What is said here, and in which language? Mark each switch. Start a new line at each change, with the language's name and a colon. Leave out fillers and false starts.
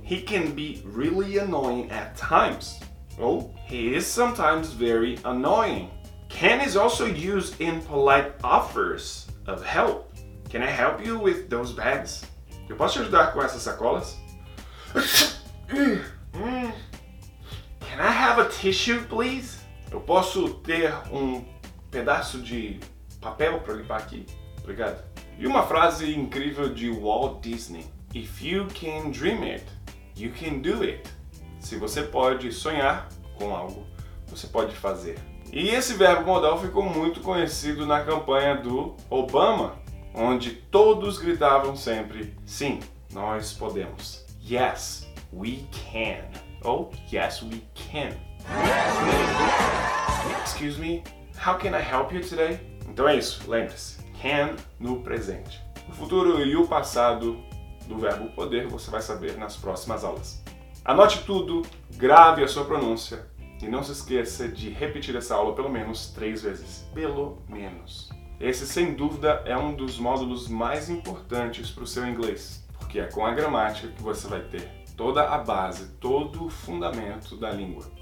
English: He can be really annoying at times.
Portuguese: Ou
English: he is sometimes very annoying. Can is also used in polite offers of help. Can I help you with those bags?
Portuguese: Eu posso te ajudar com essas sacolas?
English: Can I have a tissue, please?
Portuguese: Eu posso ter um pedaço de papel para limpar aqui? Obrigado. E uma frase incrível de Walt Disney.
English: If you can dream it, you can do it.
Portuguese: Se você pode sonhar com algo, você pode fazer. E esse verbo modal ficou muito conhecido na campanha do Obama, onde todos gritavam sempre, sim, nós podemos.
English: Yes, we can. Oh, yes, we can. Excuse me, how can I help you today?
Portuguese: Então é isso, lembre-se. Can no presente. O futuro e o passado do verbo poder você vai saber nas próximas aulas. Anote tudo, grave a sua pronúncia e não se esqueça de repetir essa aula pelo menos 3 vezes. Pelo menos. Esse, sem dúvida, é um dos módulos mais importantes para o seu inglês, porque é com a gramática que você vai ter toda a base, todo o fundamento da língua.